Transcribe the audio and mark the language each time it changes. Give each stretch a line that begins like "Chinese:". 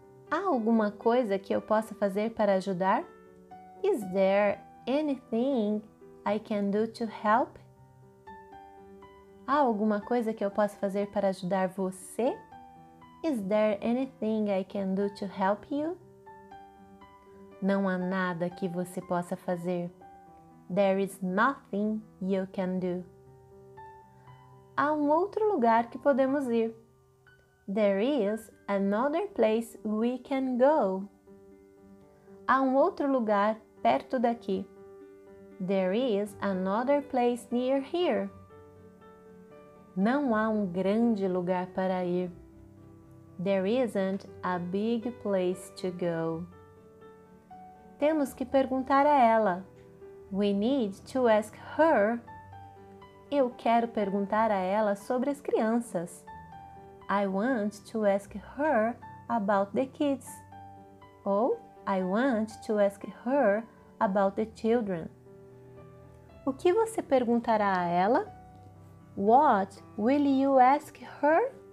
Portuguese: Há alguma coisa que eu possa fazer para ajudar?
English: Is there anything I can do to help?
Portuguese: Há alguma coisa que eu possa fazer para ajudar você?
English: Is there anything I can do to help you?
Portuguese: Não há nada que você possa fazer.
English: There is nothing you can do.
Portuguese: Há um outro lugar que podemos ir.
English: There is another place we can go.
Portuguese: Há um outro lugar perto daqui.
English: There is another place near here.
Portuguese: Não há um grande lugar para ir.
English: There isn't a big place to go.
Portuguese: Temos que perguntar a ela.
English: We need to ask her.
Portuguese: Eu quero perguntar a ela sobre as crianças.
English: I want to ask her about the kids. Ou, I want to ask her about the children.
Portuguese: O que você perguntará a ela?
English: What will you ask her?